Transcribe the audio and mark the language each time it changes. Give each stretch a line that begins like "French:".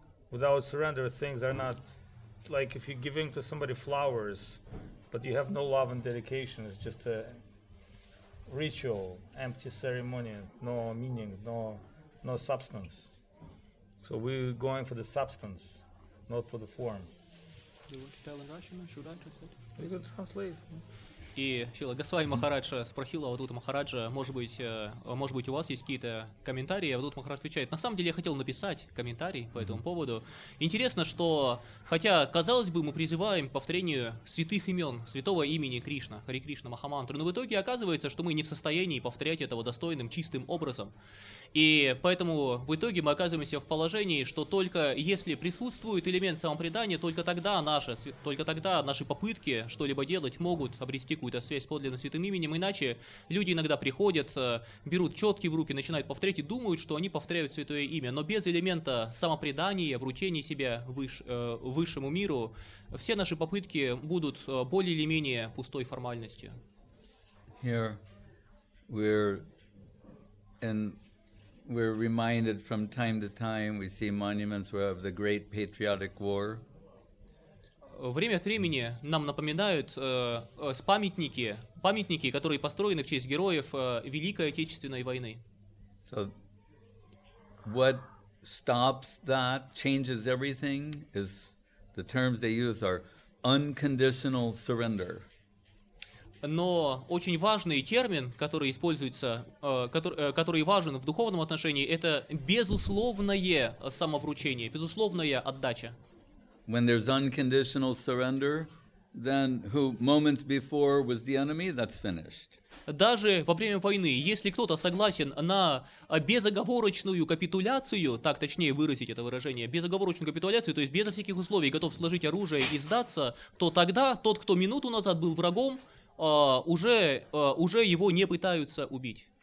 English: Without surrender, things are not, like if you're giving to somebody flowers, but you have no love and dedication, it's just a ritual, empty ceremony, no meaning, no substance. So we're going for the substance, not for the form. Do you want to tell in Russian or should I translate? You can translate.
Russian: И Шрила Госвами Махарадж спросила Авадут Махараджа, может быть, у вас есть какие-то комментарии? Авадут Махарадж отвечает, на самом деле я хотел написать комментарий по этому поводу. Интересно, что хотя, казалось бы, мы призываем повторению святых имен, святого имени Кришна, Хари Кришна Махамантры, но в итоге оказывается, что мы не в состоянии повторять этого достойным, чистым образом. И поэтому в итоге мы оказываемся в положении, что только если присутствует элемент самопредания, только тогда наши попытки что-либо делать могут обрести какую-то связь с подлинным святым именем, иначе люди иногда приходят, берут четки в руки, начинают повторять и думают, что они повторяют святое имя. Но без элемента самопредания, вручения себя высшему миру, все наши попытки будут более или менее пустой формальностью.
English: Here we're reminded from time to time, we see monuments of the Great Patriotic War.
Russian: Время от времени нам напоминают памятники, которые построены в честь героев Великой Отечественной войны.
English: So what stops that, changes everything, is the terms they use are unconditional surrender.
Russian: Но очень важный термин, который используется, который важен в духовном отношении, это безусловное самовручение, безусловная отдача.
English: When there's unconditional surrender, then who moments before was the enemy, that's finished.
Russian: Даже во время войны, если кто-то согласен на безоговорочную капитуляцию, так точнее выразить это выражение, безоговорочную капитуляцию, то есть безо всяких условий готов сложить оружие и сдаться, то тогда тот, кто минуту назад был врагом, уже его не пытаются убить.